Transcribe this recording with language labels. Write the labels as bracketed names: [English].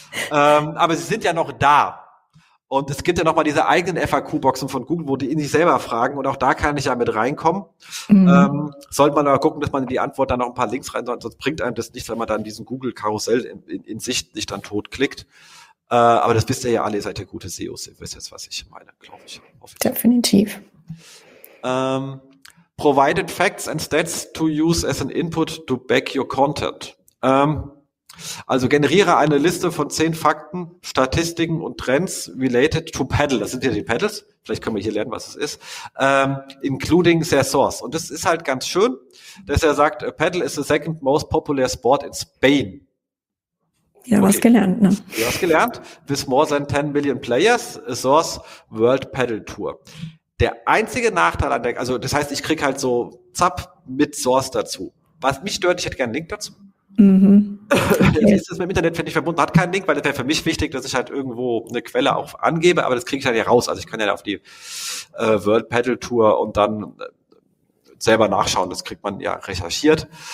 [German] Aber sie sind ja noch da. Und es gibt ja nochmal diese eigenen FAQ-Boxen von Google, wo die in sich selber fragen und auch da kann ich ja mit reinkommen. Sollte man aber gucken, dass man in die Antwort dann noch ein paar Links rein soll, sonst bringt einem das nichts, wenn man dann diesen Google-Karussell in Sicht nicht dann totklickt. Aber das wisst ihr ja alle, ihr seid ja gute SEOs, ihr wisst jetzt, was ich meine, glaube ich. Definitiv. [English] Provided facts and stats to use as an input to back your content. [German] Also generiere eine Liste von 10 Fakten, Statistiken und Trends [English] related to Paddle. [German] Das sind ja die Paddles. Vielleicht können wir hier lernen, was es ist. [English] Including their source. [German] Und das ist halt ganz schön, dass er sagt, [English] Paddle is the second most popular sport in Spain. [German] Ja, okay. Was gelernt, ne? Du hast gelernt. [English] With more than 10 million players, a source World Paddle Tour. [German] Der einzige Nachteil an der, also das heißt, ich kriege halt so Zap mit Source dazu. Was mich stört, ich hätte gerne einen Link dazu. Okay. Ist das mit dem Internet, finde ich, verbunden, hat keinen Link, weil das wäre für mich wichtig, dass ich halt irgendwo eine Quelle auch angebe, aber das kriege ich dann ja raus. Also ich kann ja auf die World Paddle Tour und dann selber nachschauen, das kriegt man ja recherchiert.